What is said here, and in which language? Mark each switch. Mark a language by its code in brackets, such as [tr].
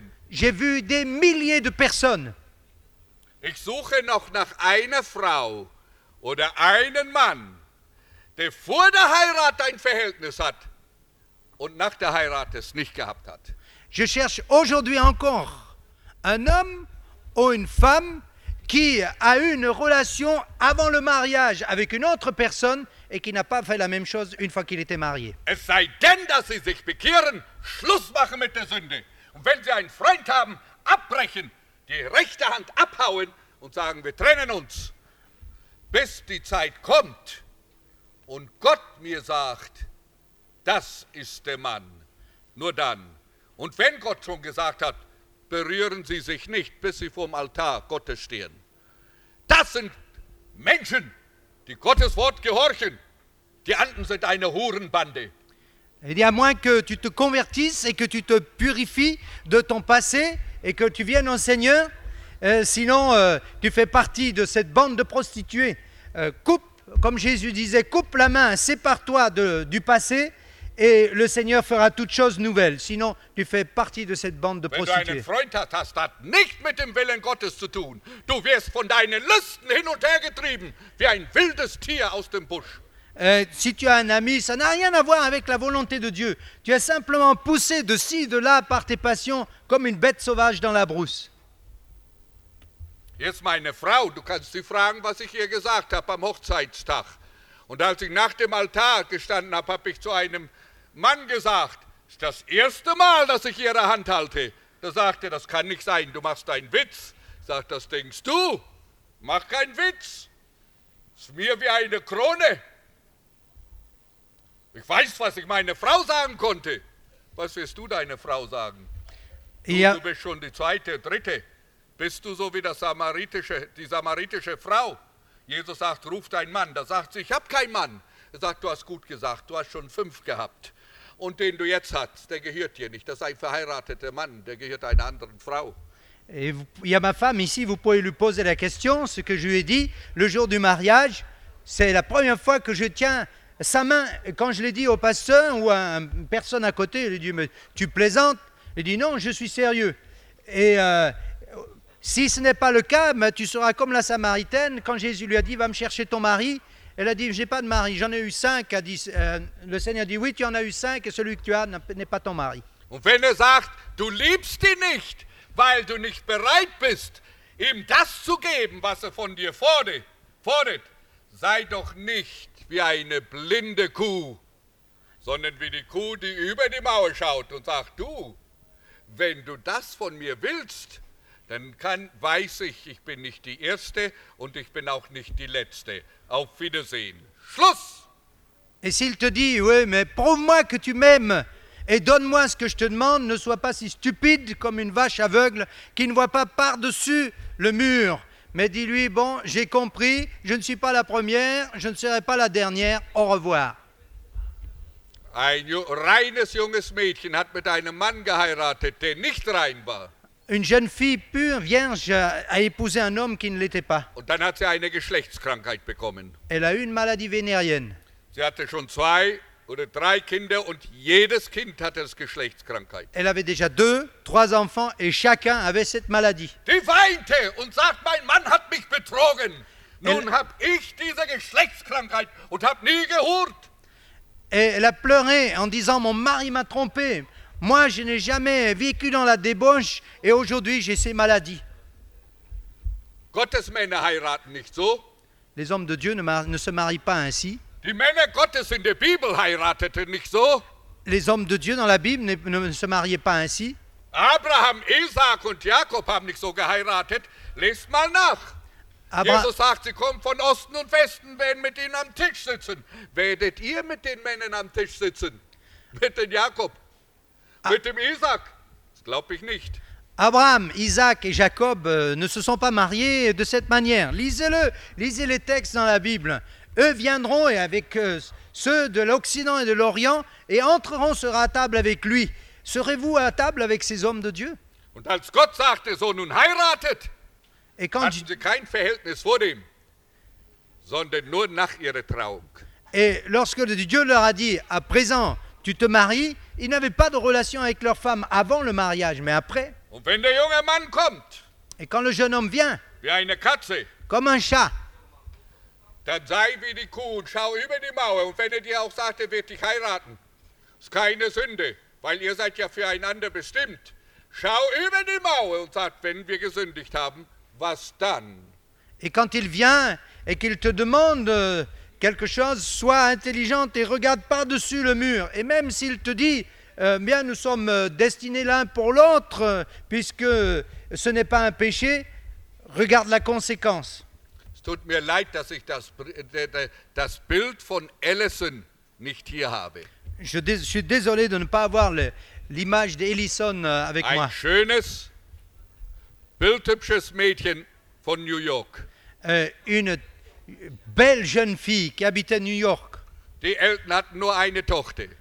[fr] J'ai vu des milliers de personnes. [de] Je suche noch nach einer Frau oder einen Mann, der vor der Heirat ein Verhältnis hat. Und nach der Heirat es nicht gehabt hat. [fr] Je cherche aujourd'hui encore un homme ou une femme qui a eu une relation avant le mariage avec une autre personne et qui n'a pas fait la même chose une fois qu'il était marié. [de] Es sei denn, dass sie sich bekehren, Schluss machen mit der Sünde. Und wenn sie einen Freund haben, abbrechen, die rechte Hand abhauen und sagen, wir trennen uns, bis die Zeit kommt und Gott mir sagt, das ist der Mann. Nur dann. Und wenn Gott schon gesagt hat, berühren Sie sich nicht, bis Sie vor dem Altar Gottes stehen. Das sind Menschen, die Gottes Wort gehorchen. Die anderen sind eine Hurenbande. [fr] Et à moins que tu te convertisses et que tu te purifies de ton passé et que tu viennes au Seigneur, sinon tu fais partie de cette bande de prostituées. Coupe, comme Jésus disait, coupe la main, sépare-toi du passé. Et le Seigneur fera toute chose nouvelle. Sinon, tu fais partie de cette bande de prostituées. [de] Wenn du einen Freund hast, hat nicht mit dem Willen Gottes zu tun. Du wirst von deinen Lüsten hin und her getrieben, wie ein wildes Tier aus dem Busch. [fr] Si tu as un ami, ça n'a rien à voir avec la volonté de Dieu. Tu es simplement poussé de ci, de là par tes passions, comme une bête sauvage dans la brousse. [de] Jetzt meine Frau, du kannst sie fragen, was ich ihr gesagt habe am Hochzeitstag. Und als ich nach dem Altar gestanden habe, habe ich zu einem Mann gesagt, es ist das erste Mal, dass ich ihre Hand halte. Da sagte er, das kann nicht sein, du machst einen Witz. Sagt, das denkst du, mach keinen Witz. Es ist mir wie eine Krone. Ich weiß, was ich meiner Frau sagen konnte. Was wirst du deiner Frau sagen? Ja. Du bist schon die zweite, dritte. Bist du so wie die samaritische Frau? Jesus sagt, ruf deinen Mann. Da sagt sie, ich habe keinen Mann. Er sagt, du hast gut gesagt, du hast schon fünf gehabt. Und den du jetzt hast, der gehört dir nicht. Das ist ein verheirateter Mann, der gehört einer anderen Frau. [fr] Et il y a ma femme ici, vous pouvez lui poser la question, ce que je lui ai dit, le jour du mariage, C'est la première fois que je tiens sa main. Quand je l'ai dit au pasteur ou à une personne à côté, il a dit, mais tu plaisantes? Il dit, non, je suis sérieux. Et si ce n'est pas le cas, ben, tu seras comme la Samaritaine. Quand Jésus lui a dit, va me chercher ton mari, elle a dit, j'ai pas de mari, j'en ai eu cinq. Le Seigneur dit, oui, tu en as eu cinq et celui que tu as n'est pas ton mari. [de] Und wenn er sagt, du liebst ihn nicht, weil du nicht bereit bist, ihm das zu geben, was er von dir fordert, sei doch nicht wie eine blinde Kuh, sondern wie die Kuh, die über die Mauer schaut und sagt, du, wenn du das von mir willst, dann weiß ich, ich bin nicht die Erste und ich bin auch nicht die Letzte. Auf Wiedersehen. Schluss! [fr] Et s'il te dit, oui, mais prouve-moi que tu m'aimes. Et donne-moi ce que je te demande, ne sois pas si stupide comme une vache aveugle qui ne voit pas par-dessus le mur. Mais dis-lui, bon, j'ai compris, je ne suis pas la première, je ne serai pas la dernière, au revoir. [de] Ein reines junges Mädchen hat mit einem Mann geheiratet, der nicht rein war. [fr] Une jeune fille pure, vierge, a épousé un homme qui ne l'était pas. [de] Und dann hat sie eine Geschlechtskrankheit bekommen. [fr] Elle a eu une maladie vénérienne. [de] Sie hatte schon zwei oder drei Kinder und jedes Kind hatte das Geschlechtskrankheit. [fr] Elle avait déjà deux, trois enfants et chacun avait cette maladie. [de] Die weinte und sagt, mein Mann hat mich betrogen. Nun hab ich diese Geschlechtskrankheit und hab nie gehurt. [fr] Et elle a pleuré en disant, mon mari m'a trompé. Moi, je n'ai jamais vécu dans la débauche et aujourd'hui, j'ai ces maladies. [de] Gottes Männer heiraten nicht so. [fr] Les hommes de Dieu ne se marient pas ainsi. [de] Die Männer Gottes in der Bibel heirateten nicht so. [fr] Les hommes de Dieu dans la Bible ne se mariaient pas ainsi. [de] Abraham, Isaac und Jakob haben nicht so geheiratet. Lest mal nach. Jesus sagt, sie kommen von Osten und Westen, werden mit ihnen am Tisch sitzen. Werdet ihr mit den Männern am Tisch sitzen? Mit dem Jakob? Mit dem Isaac? Das glaube ich nicht. [fr] Abraham, Isaac et Jakob ne se sont pas mariés de cette manière. Lisez-le, lisez les textes dans la Bible. Eux viendront et avec ceux de l'Occident et de l'Orient et entreront sur la table avec lui. Serez-vous à table avec ces hommes de Dieu? [de] Und als Gott sagte, so nun heiratet, hatten sie kein Verhältnis vor dem, sondern nur nach ihrer Trauung. [fr] Et lorsque Dieu leur a dit, à présent, tu te maries, ils n'avaient pas de relation avec leur femme avant le mariage, mais après. [de] Und wenn der junge Mann kommt, [fr] et quand le jeune homme vient, [de] wie eine Katze, [fr] comme un chat, [de] dann sei wie die Kuh und schau über die Mauer. Und wenn er dir auch sagt, er wird dich heiraten, ist keine Sünde, weil ihr seid ja füreinander bestimmt. Schau über die Mauer und sagt, wenn wir gesündigt haben, was dann? [fr] Et quand il vient et qu'il te demande quelque chose, sois intelligente et regarde par-dessus le mur. Et même s'il te dit, bien, nous sommes destinés l'un pour l'autre, puisque ce n'est pas un péché, regarde la conséquence. [de] Tut mir leid, dass ich das Bild von Ellison nicht hier habe. [fr] Je suis désolé de ne pas avoir l'image d'Ellison avec [de] ein [fr] moi. [de] Ein schönes, bildhübsches Mädchen von New York. [fr] Une belle jeune fille qui habitait New York. [de] Die Eltern hatten nur eine Tochter.